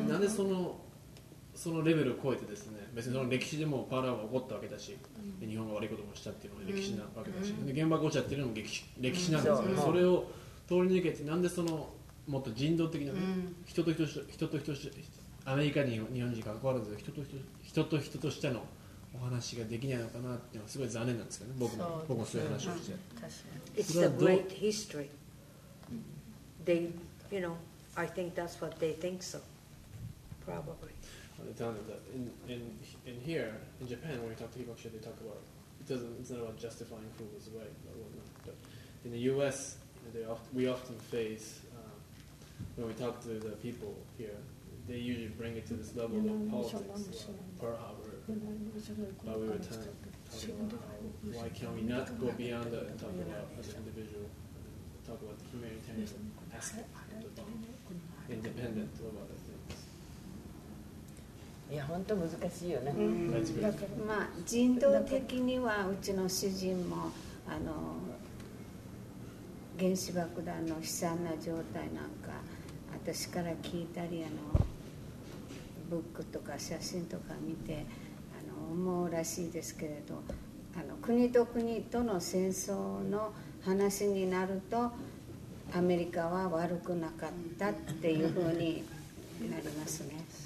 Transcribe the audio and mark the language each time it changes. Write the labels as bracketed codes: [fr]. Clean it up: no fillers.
[ja] ん、なんでそのレベルを超えてですね、別にその歴史でもパールハーバー起こったわけだし、うん、日本が悪いこともしたっていうのも歴史なわけだし、うん、で原爆落ちちゃってるのも歴史なんですけど、うん、それを通り抜けてなんでそのもっと人道的な面、うん、人と人としてアメリカに日本人関わらず人と人としてのお話ができないのかなってのはすごい残念なんですけどね、僕もそういう話をして、確かに [en] It's a great history. They, you know, I think that's what they think so. Probably. In here, in Japan, when you talk to people, actually, they talk about it's not about justifying who was right or whatnot. But in the U.S., we often face when we talk to the people here. They usually bring it to this level of politics, Pearl Harbor. But we were talking about why can't we not go beyond that and talk about as an individual, and talk about the humanitarian aspect of the bomb, independent of other things. [ja] いや本当難しいよね、うん、だからまあ人道的にはうちの主人もあの原子爆弾の悲惨な状態なんか私から聞いたりあのブックとか写真とか見てあの思うらしいですけれどあの国と国との戦争の話になるとアメリカは悪くなかったっていうふうになりますね。